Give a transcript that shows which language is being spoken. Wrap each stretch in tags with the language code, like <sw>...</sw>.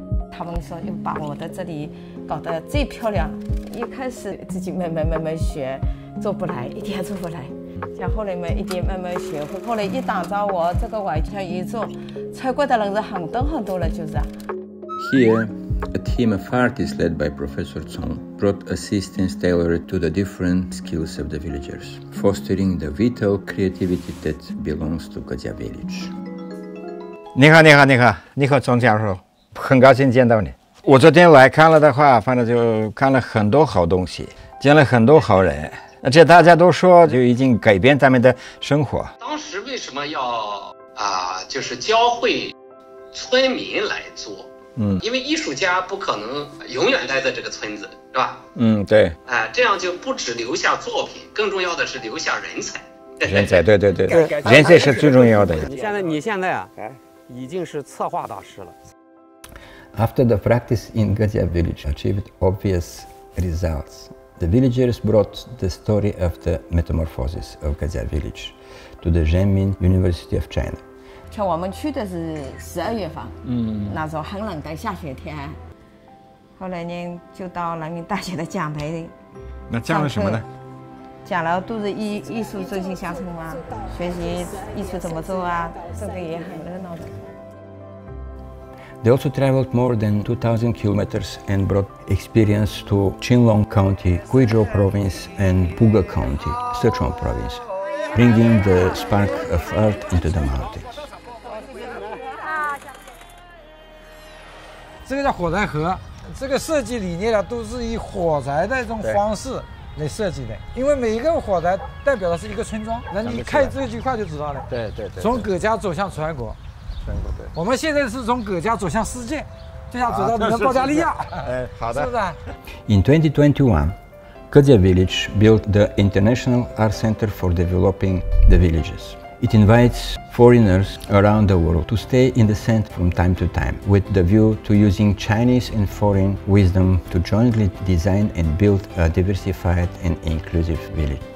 <zh>他们说又把我的这里搞得最漂亮。一开始自己慢慢学，做不来，一点做不来。像后来嘛，一点慢慢学会。后来一打造我这个外墙一做，参观的人是很多很多了，就是。</zh> <en>Here, a team of artists led by Professor Zhong brought assistance tailored to the different skills of the villagers, fostering the vital creativity that belongs to Gadia village.</en> <zh>你好，钟教授，很高兴见到你。我昨天来看了的话，反正就看了很多好东西，见了很多好人，而且大家都说就已经改变他们的生活。当时为什么要就是教会村民来做？因为艺术家不可能永远待在这个村子，是吧？对。这样就不只留下作品，更重要的是留下人才。人才，对，人才是最重要的。你现在啊，已经是策划大师了。</zh> <en>After the practice in Gadia village achieved obvious results, the villagers brought the story of the metamorphosis of Gadia village to the Zhenmin University of China.</en> <zh>像我们去的是12月份，那时候很冷的下雪天，后来呢就到人民大学的讲台上课。那讲了什么呢？讲了都是艺术振兴乡村啊，学习艺术怎么做啊，这个也很热闹的。</zh> <en>They also traveled more than 2,000 kilometers and brought experience to Qinglong County, Guizhou Province, and Buga County, Sichuan Province, bringing the spark of art into the mountains.</en> <zh>这个叫火柴盒，这个设计理念呢，都是以火柴的一种方式来设计的。因为每一个火柴代表的是一个村庄，那你看这句话就知道了。对，从葛家走向全国，全国对。我们现在是从葛家走向世界，就像走到你的保加利亚。好的，是不是啊？</zh> <en>In 2021, Gadia Village built the International Art Center for Developing the Villages. It invites foreigners around the world to stay in the center from time to time with the view to using Chinese and foreign wisdom to jointly design and build a diversified and inclusive village.</en>